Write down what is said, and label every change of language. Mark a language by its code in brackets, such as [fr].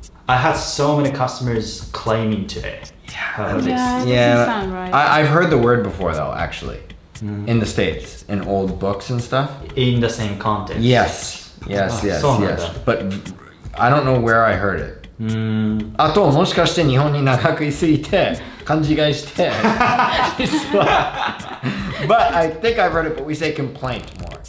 [en] I had so many customers claiming today. Yeah, that doesn't sound right. I've heard the word before though, actually. Mm. In the States, in old books and stuff. In the same context. Yes. But I don't know where I heard it. Mm. [ja] あと、もしかして日本に長くいすぎて、勘違いして。 [en] But I think I've heard it, but we say complaint more.